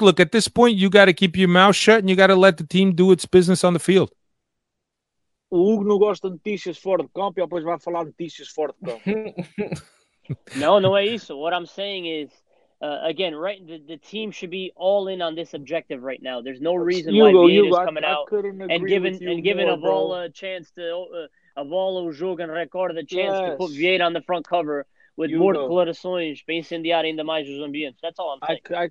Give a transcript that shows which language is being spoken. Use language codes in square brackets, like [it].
[en] Look, at this point, you got to keep your mouth shut and you got to let the team do its business on the field. [pt] O Hugo não gosta de notícias fora de campo, e depois vai falar notícias fora de campo. [en] No, [pt] não é isso. [en] What I'm saying is. Again, right, the team should be all in on this objective right now. There's no reason why Vieira is coming out and giving Avola a chance to Avola, Jürgen Record the chance to put Vieira on the front cover with more [pt] declarações para incendiar ainda mais os ambientes. [en] That's all I'm saying.